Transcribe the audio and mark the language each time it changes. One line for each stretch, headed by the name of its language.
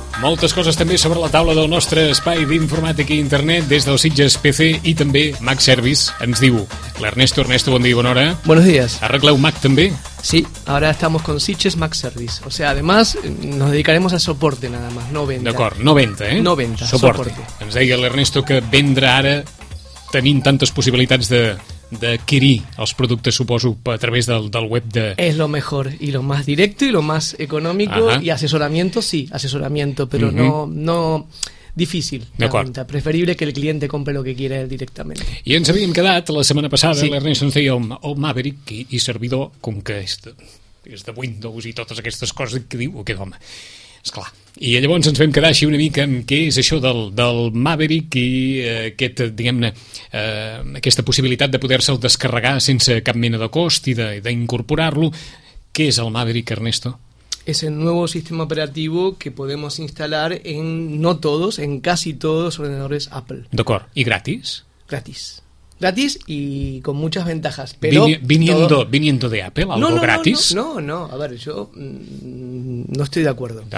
Catalan: Moltes coses també sobre la taula del nostre espai d'informàtica i internet des del Sitges PC i també Mac Service, ens diu l'Ernesto. Ernesto, bon dia i bona hora.
Spanish: Buenos días.
Catalan: Arregleu Mac també?
Spanish: Sí, ahora estamos con Sitges Mac Service. O sea, además, nos dedicaremos a soporte nada más, no venta.
Catalan: D'acord,
Spanish: no venta, No venta, soporte.
Catalan: Ens deia l'Ernesto que vendre ara, tenint tantes possibilitats de... d'adquirir els productes, suposo, a través del web de...
Spanish: Es lo mejor, y lo más directo, y lo más económico, y asesoramiento, sí, asesoramiento, pero no difícil.
Catalan: D'acord.
Spanish: Preferible que el cliente compre lo que quiera directamente.
Catalan: I ens havíem quedat la setmana passada, sí. L'Ernest ens deia el Maverick i servidor, com que és de Windows i totes aquestes coses que diu, aquest home, esclar. I llavors ens vam quedar així una mica amb què és això del Maverick i aquest, diguem-ne, aquesta possibilitat de poder-se'l descarregar sense cap mena de cost i d'incorporar-lo. Què és el Maverick, Ernesto?
Spanish: Es el nuevo sistema operativo que podemos instalar en, no todos, en casi todos los ordenadores Apple.
Catalan: D'acord. I gratis?
Spanish: Gratis. Gratis y con muchas ventajas, pero viniendo de Apple, algo gratis. No, a ver, yo no estoy de acuerdo.